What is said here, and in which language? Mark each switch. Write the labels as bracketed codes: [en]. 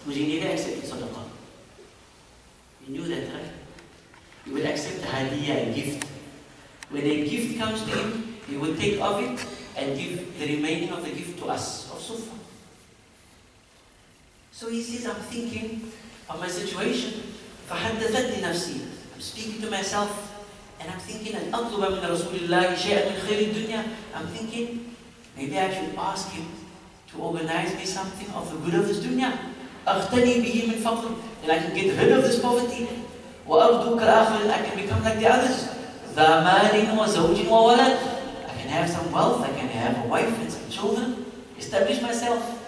[en] Would he never accept the sadaqah? You knew that, right? He would accept the hadiyah, a gift. When a gift comes to him, he would take of it and give the remaining of the gift to us, of Suffa. So he says, I'm thinking of my situation. [ar] فَحَدَّثَتْنِي نَفْسِي. [en] I'm speaking to myself, and I'm thinking, [ar] أَنْ أَطْلُبَ مِنَ رَسُولِ اللَّهِ شَيْءٍ مِنْ خَيْرِ الدُّنْيَا. [en] I'm thinking, maybe I should ask him to organize me something of the good of this dunya. [ar] أَغْتَنِي بِهِ مِنْ فَقْرٍ. [en] And I can get rid of this poverty. [ar] وَأَرْضُكَ الْآخِرِ. [en] I can become like the others. [ar] ذَا مَالٍ وَزَوْجٍ وَوَلَدٍ. [en] I can have some wealth, I can have a wife and some children, establish myself.